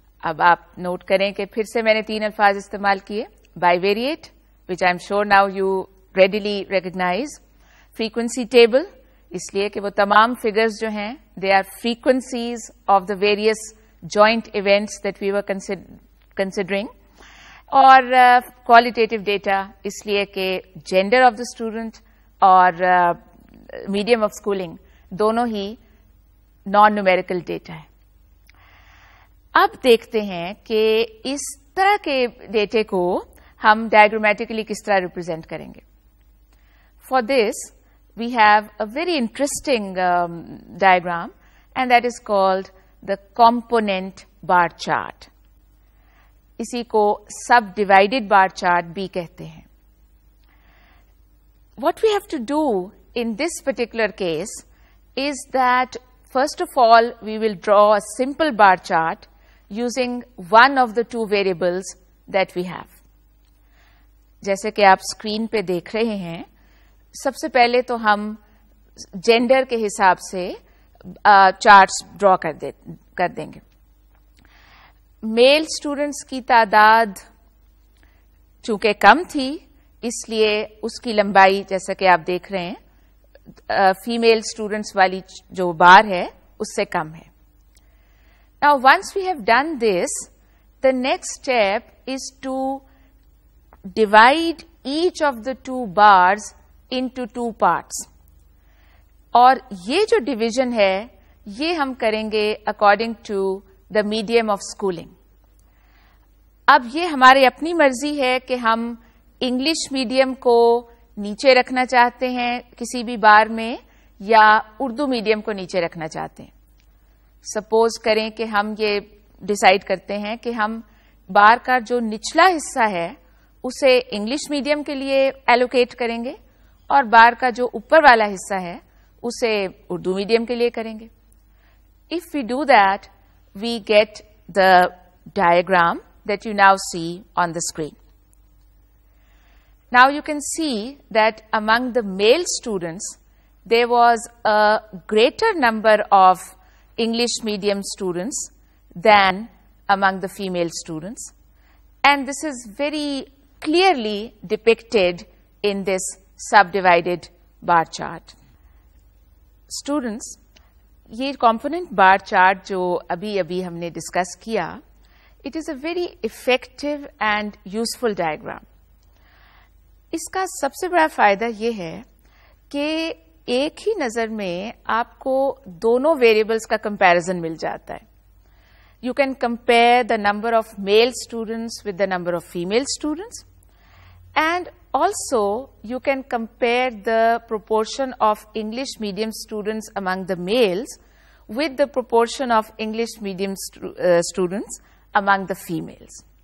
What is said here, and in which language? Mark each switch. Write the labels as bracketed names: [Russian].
[Urdu] اب آپ نوٹ کریں کہ پھر سے میں نے تین الفاظ استعمال کیے [English] bivariate, which I'm sure now you readily recognize, frequency table, [Urdu] اس لیے کہ وہ تمام [English] figures جو ہیں they are frequencies of the various joint events that we were considering, اور qualitative data, [Urdu] اس لیے کہ [English] gender of the student اور medium of schooling [Urdu] دونوں ہی [English] non-numerical data ہے. [Urdu] اب دیکھتے ہیں کہ اس طرح کے ڈیٹے کو ہم ڈائگرامیٹیکلی کس طرح ریپرزینٹ کریں گے. [English] For this we have a very interesting diagram and that is called the component bar chart. [Urdu] اسی کو سب ڈیوائڈیڈ بار چارٹ بھی کہتے ہیں. [English] What we have to do in this particular case is that first of all we will draw a simple bar chart using one of the two variables that we have. [Urdu] جیسے کہ آپ screen پہ دیکھ رہے ہیں سب سے پہلے تو ہم جینڈر کے حساب سے چارٹس ڈرا کر دیں گے. میل اسٹوڈینٹس کی تعداد چونکہ کم تھی اس لیے اس کی لمبائی جیسا کہ آپ دیکھ رہے ہیں فیمیل اسٹوڈینٹس والی جو بار ہے اس سے کم ہے. [English] Now, once we have done this, the next step is to divide each of the two bars into two parts. [Urdu] Aur ye jo division hai, ye hum karenge [English] according to the medium of schooling. [Urdu] Ab ye hamare apni marzi hai ki hum English medium ko niche rakhna chahte hain kisi bhi bar mein ya Urdu medium ko niche rakhna chahte hain. Suppose کریں کہ ہم یہ decide کرتے ہیں کہ ہم بار کا جو نچلا حصہ ہے اسے انگلش میڈیم کے لیے ایلوکیٹ کریں گے اور بار کا جو اوپر والا حصہ ہے اسے اردو میڈیم کے لیے کریں گے. [English] If we do that we get the diagram that you now see on the screen. Now you can see that among the male students there was a greater number of English medium students than among the female students, and this is very clearly depicted in this subdivided bar chart. Students, [Urdu] ye component bar chart jo abhi humne discuss kiya, [English] it is a very effective and useful diagram. [Urdu] Iska sabse bada fayda ye hai ke ایک ہی نظر میں آپ کو دونوں variables کا comparison مل جاتا ہے. [English] You can compare the number of male students with the number of female students and also you can compare the proportion of English medium students among the males with the proportion of English medium students among the females.